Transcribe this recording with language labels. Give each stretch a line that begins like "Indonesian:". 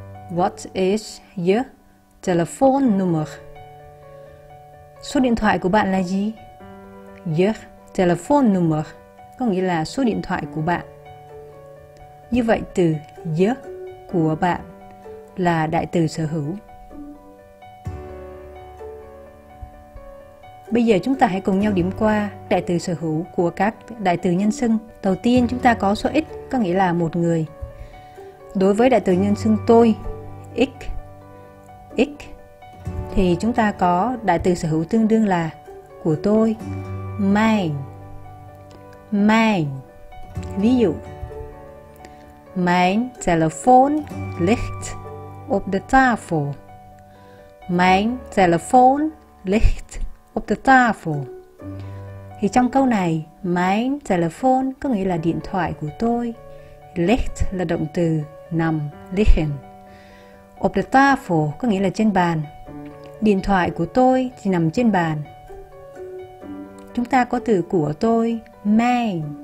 English: What is your telephone number?
Vietnamese: Số điện thoại của bạn là gì?
English: Your telephone number
Vietnamese: có nghĩa là số điện thoại của bạn. Như vậy từ your của bạn là đại từ sở hữu. Bây giờ chúng ta hãy cùng nhau điểm qua đại từ sở hữu của các đại từ nhân xưng. Đầu tiên chúng ta có số ít, có nghĩa là một người. Đối với đại từ nhân xưng tôi, ich, thì chúng ta có đại từ sở hữu tương đương là của tôi, mein.
German: Ví dụ, mein telephone liegt auf der Tafel. Mein telephone liegt auf der Tafel.
Vietnamese: Thì trong câu này, mein telephone có nghĩa là điện thoại của tôi. Liegt là động từ nằm, liegen.
German: Auf der Tafel
Vietnamese: có nghĩa là trên bàn. Điện thoại của tôi thì nằm trên bàn. Chúng ta có từ của tôi, mein.